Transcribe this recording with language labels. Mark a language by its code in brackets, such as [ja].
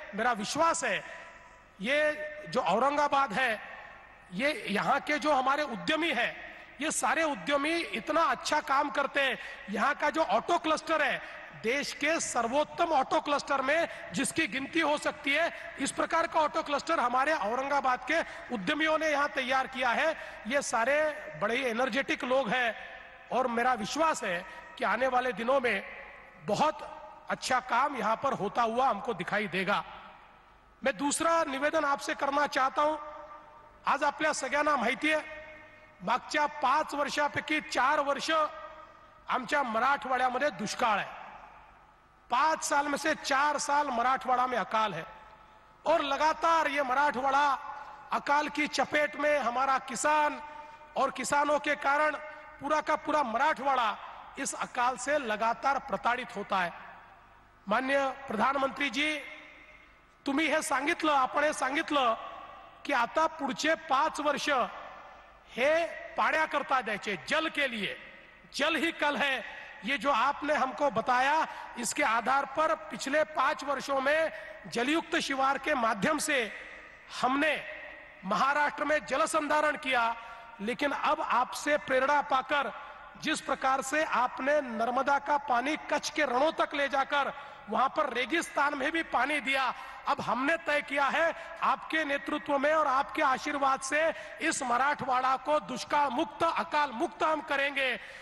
[hi] मेरा विश्वास है ये जो औरंगाबाद है, ये यहां के जो हमारे उद्यमी है, ये सारे उद्यमी इतना अच्छा काम करते हैं, यहां का जो ऑटो क्लस्टर है देश के सर्वोत्तम ऑटो क्लस्टर में जिसकी गिनती हो सकती है, इस प्रकार का ऑटो क्लस्टर हमारे औरंगाबाद के उद्यमियों ने यहां तैयार किया है. ये सारे बड़े एनर्जेटिक लोग हैं और मेरा विश्वास है कि आने वाले दिनों में बहुत अच्छा काम यहां पर होता हुआ हमको दिखाई देगा. मैं दूसरा निवेदन आपसे करना चाहता हूं. [mr] आज आपल्या सगळ्यांना माहिती आहे मागच्या 5 वर्षापैकी 4 वर्ष आमच्या मराठवाड्यामध्ये दुष्काळ आहे. [hi] 5 साल में से 4 साल मराठवाड़ा में अकाल है और लगातार ये मराठवाड़ा अकाल की चपेट में, हमारा किसान और किसानों के कारण पूरा का पूरा मराठवाड़ा इस अकाल से लगातार प्रताड़ित होता है. [mr] माननीय प्रधानमंत्री जी, तुम्ही हे सांगितलं, आपण हे सांगितलं की आता पुढचे 5 वर्ष [hi] हे पाड़ा करता देचे, जल के लिए, जल ही कल है। ये जो आपने हमको बताया इसके आधार पर पिछले 5 वर्षों में जलयुक्त शिवार के माध्यम से हमने महाराष्ट्र में जल संधारण किया, लेकिन अब आपसे प्रेरणा पाकर जिस प्रकार से आपने नर्मदा का पानी कच्छ के रणों तक ले जाकर वहां पर रेगिस्तान में भी पानी दिया, अब हमने तय किया है आपके नेतृत्व में और आपके आशीर्वाद से इस मराठवाड़ा को दुष्काल मुक्त, अकाल मुक्त हम करेंगे।